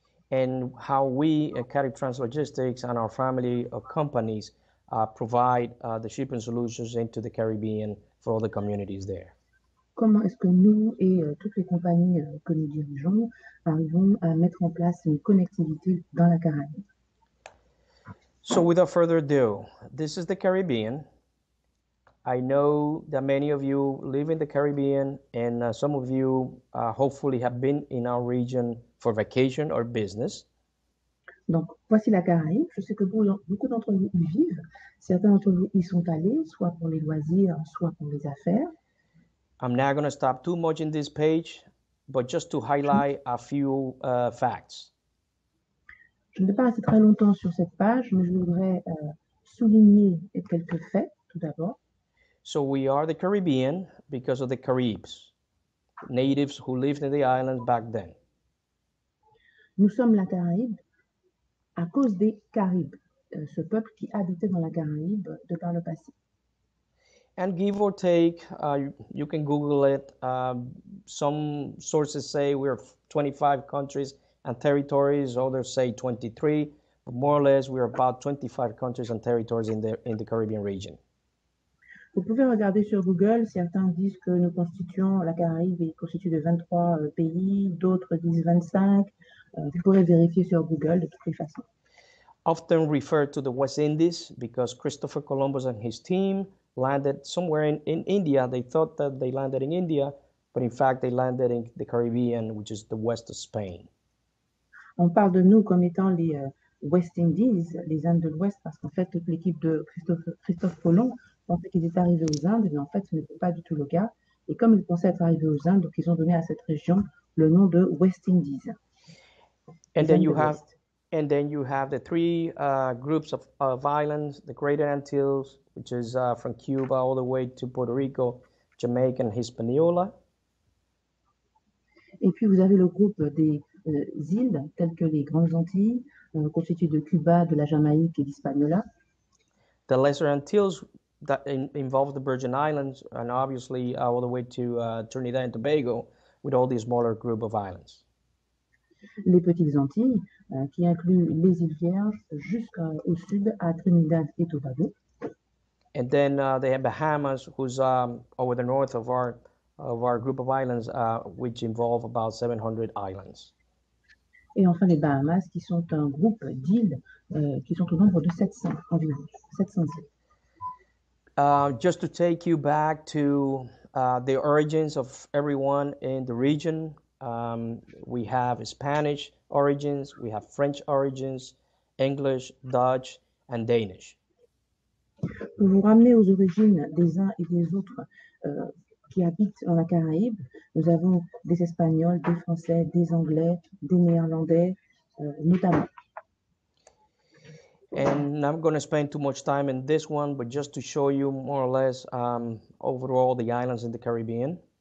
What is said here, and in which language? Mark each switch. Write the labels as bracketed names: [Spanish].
[English] And how we at Carib Trans Logistics and our family of companies provide the shipping solutions into the Caribbean for all the communities there. [French] Comment est-ce que nous et toutes les compagnies que nous dirigeons arrivons à mettre en place une connectivité dans la Caraïbe? [English] So without further ado, this is the Caribbean. I know that many of you live in the Caribbean, and some of you hopefully have been in our region for vacation or business. [French] Donc, voici la Caraïbe. Je sais que beaucoup d'entre vous y vivent. Certains d'entre vous y sont allés, soit pour les loisirs, soit pour les affaires. [English] I'm not going to stop too much in this page, but just to highlight a few facts. [French] Je ne vais pas rester très longtemps sur cette page, mais je voudrais souligner quelques faits tout d'abord. [English] So we are the Caribbean because of the Caribs, natives who lived in the islands back then. [French] Nous sommes la Caraïbe à cause des Caribs, ce peuple qui habitait dans la Caraïbe de par le passé. [English] And give or take, you can Google it. Some sources say we are 25 countries and territories, others say 23, but more or less we are about 25 countries and territories in the Caribbean region. [French] Vous pouvez regarder sur Google, certains disent que nous constituons, la Caraïbe est constituée de 23 pays, d'autres disent 25. Vous pourrez vérifier sur Google de toutes les façons. [English] Often referred to the West Indies because Christopher Columbus and his team landed somewhere in India. They thought that they landed in India, but in fact they landed in the Caribbean, which is the west of Spain. [French] On parle de nous comme étant les West Indies, les Indes de l'Ouest, parce qu'en fait, toute l'équipe de Christophe Colomb pensait qu'ils étaient arrivés aux Indes, mais en fait, ce n'était pas du tout le cas. Et comme ils pensaient être arrivés aux Indes, donc ils ont donné à cette région le nom de West Indies. [English] And then you have the three groups of islands, the Greater Antilles, which is from Cuba all the way to Puerto Rico, Jamaica and Hispaniola. [French] Et puis vous avez le groupe des îles telles que les Grandes Antilles, constituées de Cuba, de la Jamaïque et d'Hispaniola. [English] The Lesser Antilles that involve the Virgin Islands and obviously all the way to Trinidad and Tobago with all these smaller group of islands. [French] Les Petites Antilles qui incluent les îles Vierges jusqu'au sud à Trinidad et Tobago. [English] And then they have Bahamas, who's over the north of our group of islands, which involve about 700 islands. [French] Et enfin les Bahamas, qui sont un groupe d'îles qui sont au nombre de 700 environ, 700 îles. [English] Just to take you back to the origins of everyone in the region, we have Spanish origins, we have French origins, English, Dutch, and Danish. [French] Pour vous ramener aux origines des uns et des autres qui habitent dans la Caraïbe, nous avons des Espagnols, des Français, des Anglais, des Néerlandais, notamment. [English] And I'm not going to spend too much time in this one, but just to show you more or less overall the islands in the Caribbean.